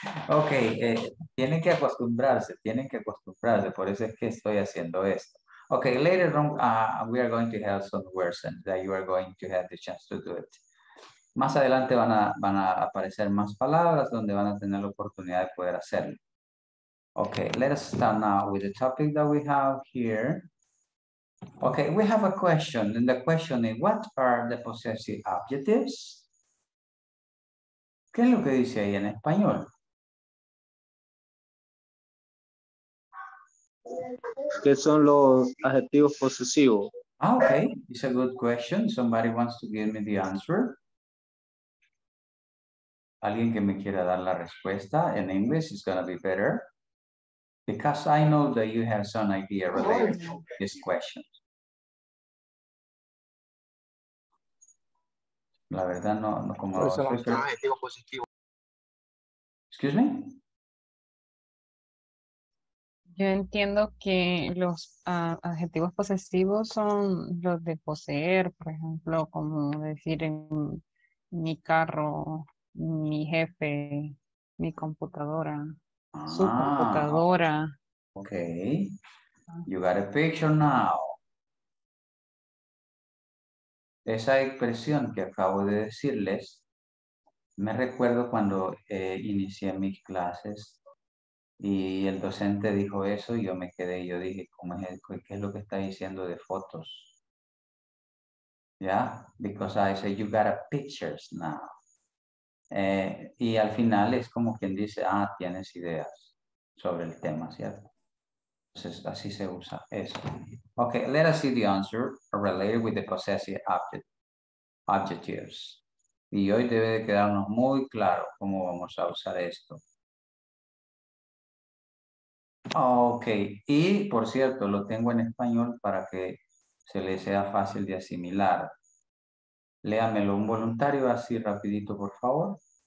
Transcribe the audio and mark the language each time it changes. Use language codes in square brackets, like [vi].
[es] Ok, tienen que acostumbrarse, por eso es que estoy haciendo esto. [en] Ok, later on, we are going to have some words and that you are going to have the chance to do it. [es] Más adelante van a aparecer más palabras donde van a tener la oportunidad de poder hacerlo. [en] Okay, let us start now with the topic that we have here. Okay, we have a question, and the question is, what are the possessive adjectives? [es] ¿Qué es lo que dice ahí en español? ¿Qué son los adjetivos posesivos? [en] Ah, okay, it's a good question. Somebody wants to give me the answer. [es] Alguien que me quiera dar la respuesta en inglés [en] is going to be better. Because I know that you have some idea related to this question. [es] La verdad, no como... Pues son los adjetivos positivos. [en] Excuse me? [es] Yo entiendo que los adjetivos posesivos son los de poseer, por ejemplo, como decir en mi carro, mi jefe, mi computadora, su computadora. [en] Okay, you got a picture now. [es] Esa expresión que acabo de decirles, me recuerdo cuando inicié mis clases y el docente dijo eso y yo dije, ¿cómo es el, qué es lo que está diciendo de fotos? [en] Yeah, because I said, you got a pictures now. [es] Y al final es como quien dice, ah, tienes ideas sobre el tema, ¿cierto? Entonces, así se usa eso. [en] Okay, let us see the answer related with the possessive adjectives. [es] Y hoy debe de quedarnos muy claro cómo vamos a usar esto. Okay, y por cierto, lo tengo en español para que se le sea fácil de asimilar. Léamelo un voluntario así rapidito, por favor.